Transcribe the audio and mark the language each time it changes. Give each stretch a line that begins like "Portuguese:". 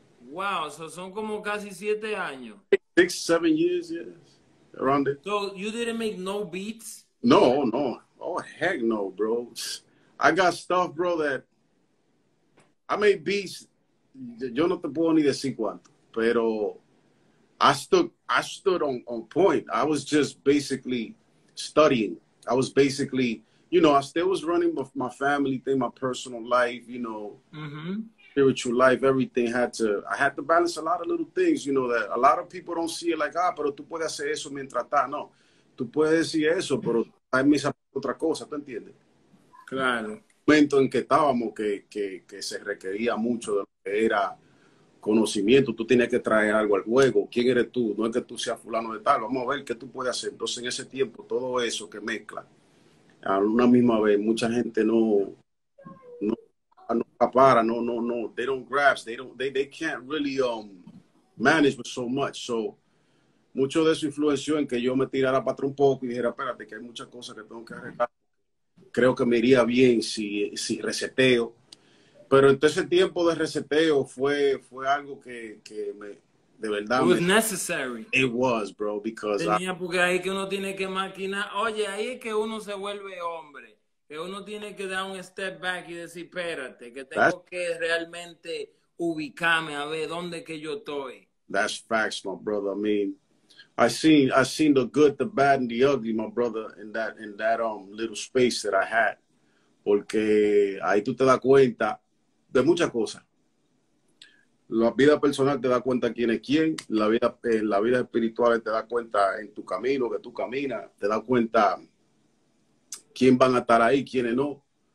Spanish: Wow, so son como casi 7 años.
English: 6, 7 years, yes. Around it. So you didn't make no beats? No. Oh, heck no, bro. I got stuff, bro, that I made beats.
Spanish: Yo no te puedo ni decir cuánto, pero
English: I stood on point. I was just basically studying. I was basically, I still was running my family thing, my personal life, spiritual life, everything had to, I had to balance a lot of little things, that a lot of people don't see it like, ah,
Spanish: pero tú puedes hacer eso mientras está. No, tú puedes decir eso, pero hay misa otra cosa, ¿tú entiendes? Claro. Momento en que estábamos, que se requería mucho de lo que era conocimiento, tú tienes que traer algo al juego, ¿quién eres tú? No es que tú seas fulano de tal, vamos a ver qué tú puedes hacer. Entonces, en ese tiempo, todo eso que mezcla, a una misma vez, mucha gente no para, no,
English: they don't grasp, they can't really manage with so much.
Spanish: So, mucho de eso influenció en que yo me tirara para atrás un poco y dijera, espérate, que hay muchas cosas que tengo que arreglar. Creo que me iría bien si reseteo. Pero entonces ese tiempo de reseteo fue algo de
English: It
Spanish: verdad
English: was necessary. it was, bro, because I
Spanish: Tenía porque ahí que uno tiene que maquinar. Oye, ahí es que uno se vuelve hombre. Que uno tiene que dar un
English: step back
Spanish: y decir, espérate, que tengo que realmente ubicarme a ver dónde que yo estoy.
English: That's facts, my brother. I mean, I seen the good, the bad, and the ugly, my brother, in that little space that I had.
Spanish: Porque ahí tú te das cuenta de muchas cosas. La vida personal te da cuenta quién es quién. La vida espiritual te da cuenta en tu camino, que tú caminas. Te da cuenta quién van a estar ahí, quiénes no.